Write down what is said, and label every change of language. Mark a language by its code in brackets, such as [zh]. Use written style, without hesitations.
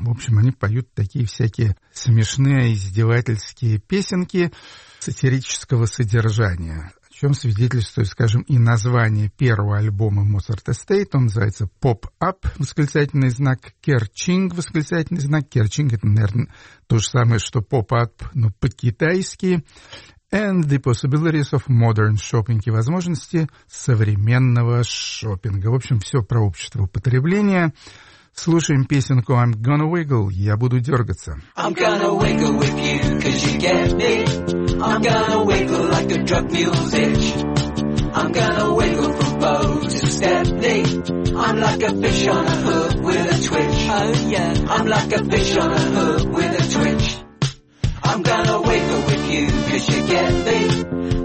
[ru] В общем, они поют такие всякие смешные, издевательские песенки сатирического содержания, о чем свидетельствует, скажем, и название первого альбома «Mozart Estate». Он называется «Pop Up» — восклицательный знак, «Керчинг» — восклицательный знак. «Керчинг» — это, наверное, то же самое, что «Pop Up», но по-китайски. [en] «And the possibilities of modern shopping» [ru] и возможности современного шопинга. В общем, все про общество употребления. Слушаем песенку «I'm gonna wiggle», «Я буду дергаться». [en] I'm gonna wiggle with you, 'cause you get me. I'm gonna wiggle like a drug mule's itch. I'm gonna wiggle from bow to Stepney. I'm like a fish on a hook with a twitch. Oh, yeah. I'm like a fish on a hook with a twitch. I'm gonna wiggle with you, 'cause you get me.